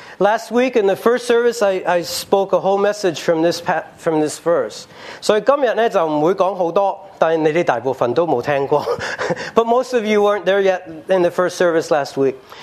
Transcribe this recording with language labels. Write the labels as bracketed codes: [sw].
[en] Last week in the first service, I spoke a whole message from this verse. [zh] 所以今天就不会讲很多，但你们大部分都没听过。 [en] But most of you weren't there yet in the first service last week.